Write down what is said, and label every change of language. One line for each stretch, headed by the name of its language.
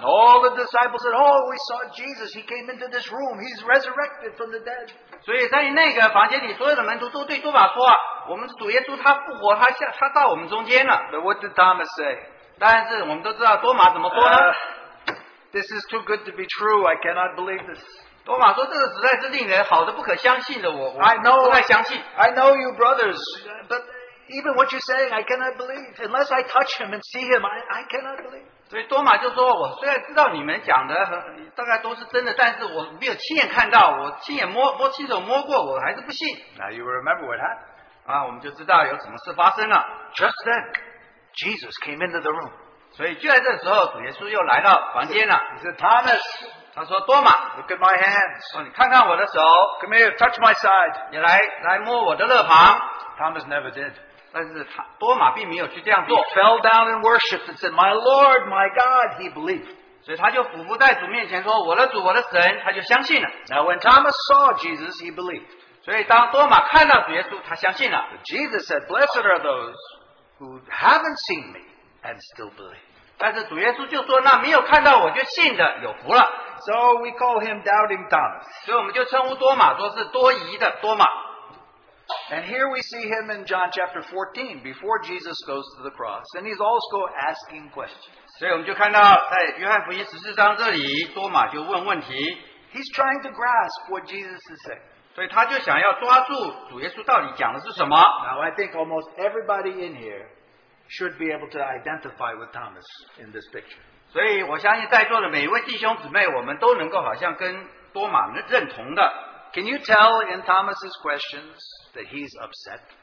English: All the disciples said, Oh, we saw Jesus. He came into this room. He's resurrected from the dead.
Chinese: 所以在那个房间里，所有的门徒都对多马说，我们主耶稣他复活，他到我们中间了。
English: But what did Thomas say?
Chinese: 但是我们都知道多马怎么说呢？
English: This is too good to be true. I cannot believe this.
Chinese: 多马说这个实在是令人好的不可相信的，我不太相信。
English: I know you brothers, but even what you're saying, I cannot believe. Unless I touch him and see him, I cannot believe.
Chinese: 所以多马就说，我虽然知道你们讲的大概都是真的，但是我没有亲眼看到，我亲手摸过，我还是不信。
English: Now you remember what happened.
Chinese: 我们就知道有什么事发生了。
English: Just then, Jesus came into the room.
Chinese: 所以就在这时候，主耶稣又来到房间了。
English: He said, Thomas.
Chinese: 他说，多马,
English: look at my hands.
Chinese: 你看看我的手,
English: come here, touch my side.
Chinese: 你来摸我的肋旁。
English: Thomas never did.
Chinese: 但是多马并没有去这样做。
English: He fell down in worship and said, My Lord, my God, he believed.
Chinese: 所以他就俯伏在主面前说，我的主，我的神，他就相信了。
English: Now when Thomas saw Jesus, he believed.
Chinese: 所以当多马看到主耶稣，他相信了。
English: But Jesus said, Blessed are those who haven't seen me and still believe.
Chinese: 但是主耶稣就说，那没有看到我就信的，有福了。
English: So we call him Doubting Thomas.
Chinese: 所以我们就称呼多马说是多疑的多马。
English: And here we see him in John chapter 14, before Jesus goes to the cross, and he's also asking questions.
Chinese: 所以我们就看到在约翰福音14章这里，多马就问问题。
English: He's trying to grasp what Jesus is saying.
Chinese: 所以他就想要抓住主耶稣到底讲的是什么。
English: Now I think almost everybody in here should be able to identify with Thomas in this picture.
Chinese: 所以我相信在座的每一位弟兄姊妹，我们都能够好像跟多马认同的。
English: Can you tell in Thomas's questions that he's upset?